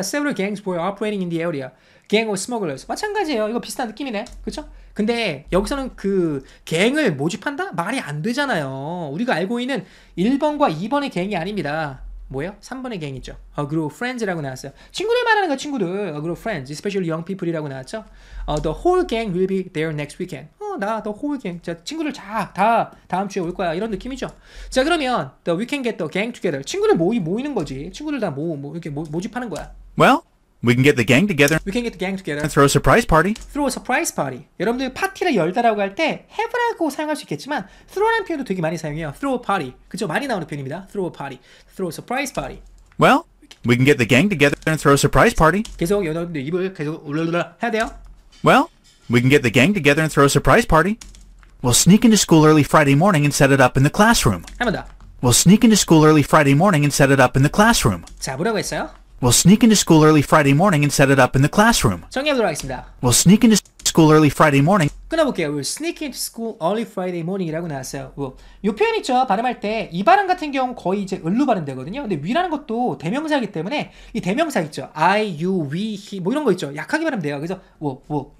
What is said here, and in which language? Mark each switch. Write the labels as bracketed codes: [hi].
[en] Several gangs were operating in the area. Gang of smugglers. [ko] 마찬가지예요. 이거 비슷한 느낌이네. 그쵸? 근데 여기서는 그 갱을 모집한다? 말이 안 되잖아요. 우리가 알고 있는 1번과 2번의 갱이 아닙니다. 뭐예요? 3번의 갱이죠. [en] A group of friends [ko] 라고 나왔어요. 친구들 말하는 거 친구들. [en] A group of friends. Especially young people이라고 나왔죠. The whole gang will be there next weekend. 나 the whole gang. [ko] 자, 친구들 다 다음 주에 올 거야. 이런 느낌이죠. 자 그러면 [en] the we can get the gang together. [ko] 친구들 모이는 거지. 친구들 다 모집하는 거야. [en] Well? We can get the gang together. We can get the gang together. And throw a surprise party. Throw a surprise party. [ko] 여러분들 파티를 열다라고 할 때 have라고 사용할 수 있겠지만 throw라는 표현도 되게 많이 사용해요. [en] Throw a party. [ko] 그죠? 많이 나오는 표현입니다. [en] Throw a party. Throw a surprise party. Well, we can get the gang together and throw a surprise party. [ko] 계속 여러분들 입을 계속 울르르 해야 돼요. [en] Well, we can get the gang together and throw a surprise party. We'll sneak into school early Friday morning and set it up in the classroom. [ko] 한 번 더. [en] We'll sneak into school early Friday morning and set it up in the classroom. [ko] 자, 뭐라고 했어요? [en] We'll sneak into school early Friday morning and set it up in the classroom. [ko] 정리하도록 하겠습니다. [en] We'll sneak into school early Friday morning. [ko] 끊어볼게요. [en] We'll sneak into school early Friday morning이라고 나왔어요. We'll. [ko] 이 표현 있죠? 발음할 때 이 발음 같은 경우 거의 이제 을로 발음되거든요. 근데 we라는 것도 대명사이기 때문에 이 대명사 있죠? I, you, we, he 뭐 이런 거 있죠? 약하게 발음돼요. 그래서 we'll.